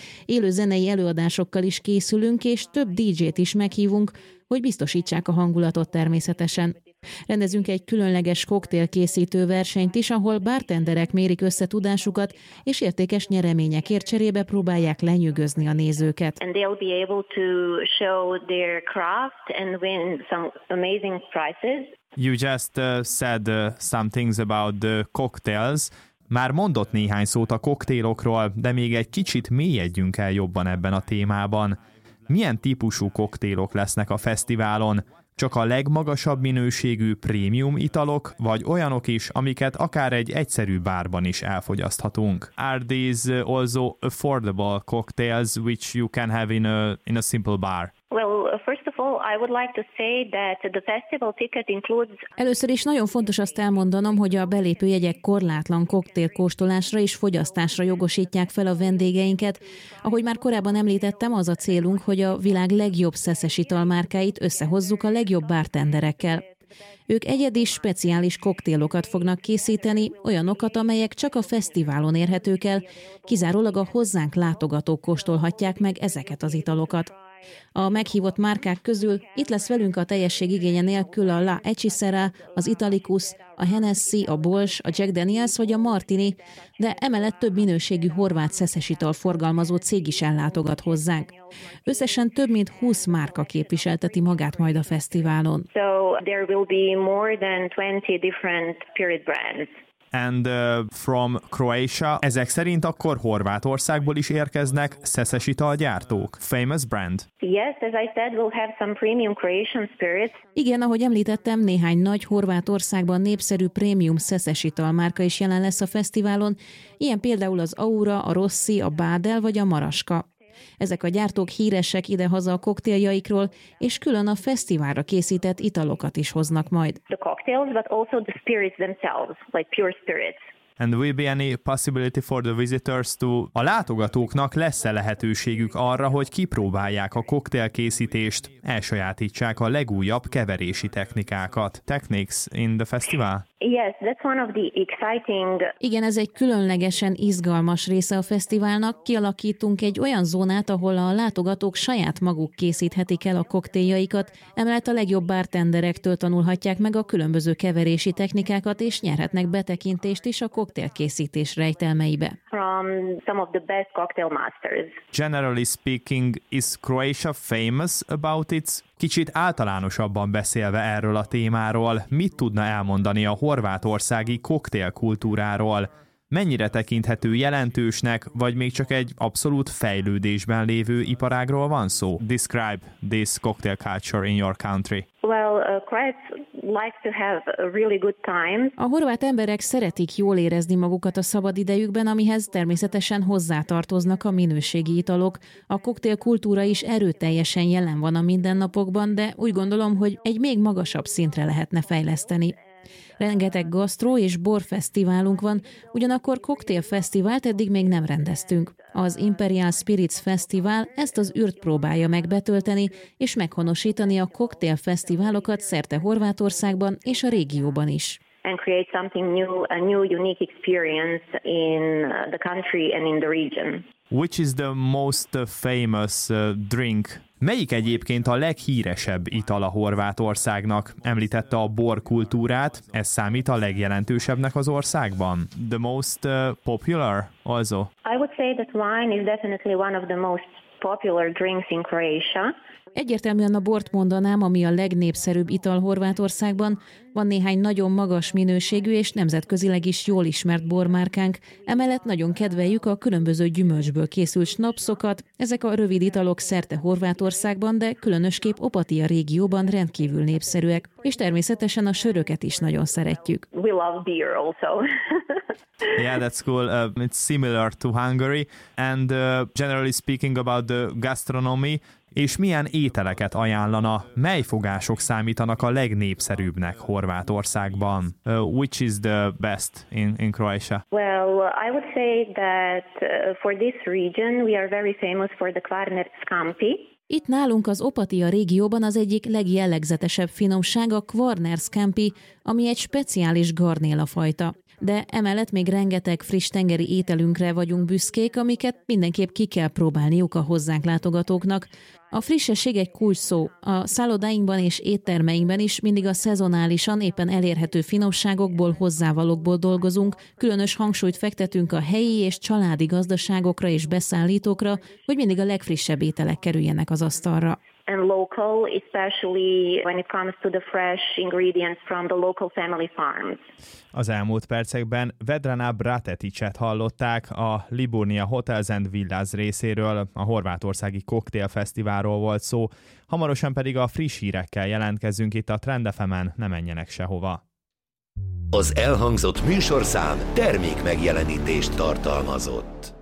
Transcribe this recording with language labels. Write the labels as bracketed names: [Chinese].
[Hungarian] Élő zenei előadásokkal is készülünk, és több DJ-t is meghívunk, hogy biztosítsák a hangulatot természetesen. Rendezünk egy különleges koktélkészítő versenyt is, ahol bartenderek mérik össze tudásukat, és értékes nyereményekért cserébe próbálják lenyűgözni a nézőket. [English] And they'll be able to show their craft and win some amazing prizes. You just said some things about the cocktails. [Hungarian] Már mondott néhány szót a koktélokról, de még egy kicsit mélyedjünk el jobban ebben a témában. Milyen típusú koktélok lesznek a fesztiválon? Csak a legmagasabb minőségű prémium italok, vagy olyanok is, amiket akár egy egyszerű bárban is elfogyaszthatunk? [English] Are these also affordable cocktails which you can have in a simple bar? Well, first of all, I would like to say that the festival ticket includes. [Hungarian] Először is nagyon fontos azt elmondanom, hogy a belépő jegyek korlátlan koktélkóstolásra és fogyasztásra jogosítják fel a vendégeinket. Ahogy már korábban említettem, az a célunk, hogy a világ legjobb szeszes italmárkáit összehozzuk a legjobb bartenderekkel. Ők egyedi, speciális koktélokat fognak készíteni, olyanokat, amelyek csak a fesztiválon érhetők el, kizárólag a hozzánk látogatók kóstolhatják meg ezeket az italokat. A meghívott márkák közül itt lesz velünk a teljesség igénye nélkül a La Hechicera, az Italicus, a Hennessy, a Bols, a Jack Daniels vagy a Martini, de emellett több minőségű horvát szeszes ital forgalmazó cég is ellátogat hozzánk. Összesen több mint 20 márka képviselteti magát majd a fesztiválon. [English] So there will be more than 20 different spirit brands. And from Croatia. [Hungarian] Ezek szerint akkor Horvátországból is érkeznek szeszes italgyártók, [English] famous brand. Yes, as I said, we'll have some premium Croatian spirits. [Hungarian] Igen, ahogy említettem, néhány nagy Horvátországban népszerű prémium szeszes italmárka is jelen lesz a fesztiválon, ilyen például az Aura, a Rossi, a Bádel vagy a Maraska. Ezek a gyártók híresek idehaza a koktéljaikról, és külön a fesztiválra készített italokat is hoznak majd. [English] The cocktails, but also the spirits themselves, like pure spirits. And will be any possibility for the visitors to... [Hungarian] A látogatóknak lesz-e lehetőségük arra, hogy kipróbálják a koktélkészítést, elsajátítsák a legújabb keverési technikákat. [English] Techniques in the festival? Yes, that's one of the exciting... [Hungarian] Igen, ez egy különlegesen izgalmas része a fesztiválnak. Kialakítunk egy olyan zónát, ahol a látogatók saját maguk készíthetik el a koktéljaikat, emellett a legjobb bartenderektől tanulhatják meg a különböző keverési technikákat, és nyerhetnek betekintést is a koktélkészítés rejtelmeibe. [English] From some of the best cocktail masters. Generally speaking, is Croatia famous about its... [Hungarian] Kicsit általánosabban beszélve erről a témáról, mit tudna elmondani a horvátországi koktélkultúráról? Mennyire tekinthető jelentősnek, vagy még csak egy abszolút fejlődésben lévő iparágról van szó? [English] Describe this cocktail culture in your country. Well, Croats like to have a really good time. [Hungarian] A horvát emberek szeretik jól érezni magukat a szabad idejükben, amihez természetesen hozzátartoznak a minőségi italok. A koktélkultúra is erőteljesen jelen van a mindennapokban, de úgy gondolom, hogy egy még magasabb szintre lehetne fejleszteni. Rengeteg gasztró és borfesztiválunk van, ugyanakkor koktélfesztivált eddig még nem rendeztünk. Az Imperial Spirits Festival ezt az űrt próbálja megbetölteni és meghonosítani a koktélfesztiválokat szerte Horvátországban és a régióban is. [English] And create something new, a new unique experience in the country and in the region. Which is the most famous drink? [Hungarian] Melyik egyébként a leghíresebb ital a Horvátországnak? Említette a bor kultúrát, ez számít a legjelentősebbnek az országban. [English] The most popular also. I would say that wine is definitely one of the most popular drinks in Croatia. [Hungarian] Egyértelműen a bort mondanám, ami a legnépszerűbb ital Horvátországban. Van néhány nagyon magas minőségű és nemzetközileg is jól ismert bormárkánk. Emellett nagyon kedveljük a különböző gyümölcsből készült snapsokat. Ezek a rövid italok szerte Horvátországban, de különösképp Opatija régióban rendkívül népszerűek. És természetesen a söröket is nagyon szeretjük. [English] We love beer also. Yeah, that's cool. It's similar to Hungary. And generally speaking about the gastronomy, [Hungarian] és milyen ételeket ajánlana, mely fogások számítanak a legnépszerűbbnek Horvátországban? [English] Which is the best in Croatia? Well, I would say that for this region we are very famous for the Kvarner Skampi. [Hungarian] Itt nálunk az Opatija régióban az egyik legjellegzetesebb finomság a Kvarner Skampi, ami egy speciális garnéla fajta. De emellett még rengeteg friss tengeri ételünkre vagyunk büszkék, amiket mindenképp ki kell próbálniuk a hozzánk látogatóknak. A frissesség egy kulcsszó. A szállodáinkban és éttermeinkben is mindig a szezonálisan éppen elérhető finomságokból, hozzávalókból dolgozunk. Különös hangsúlyt fektetünk a helyi és családi gazdaságokra és beszállítókra, hogy mindig a legfrissebb ételek kerüljenek az asztalra. [English] And local, especially when it comes to the fresh ingredients from the local family farms. [Hungarian] Az elmúlt percekben Vedrana Brateticet hallották, a Liburnia Hotels and Villas részéről, a horvátországi koktélfesztiválról volt szó, hamarosan pedig a friss hírekkel jelentkezünk itt a Trend FM-en, ne menjenek sehova. Az elhangzott műsorszám termék megjelenítést tartalmazott.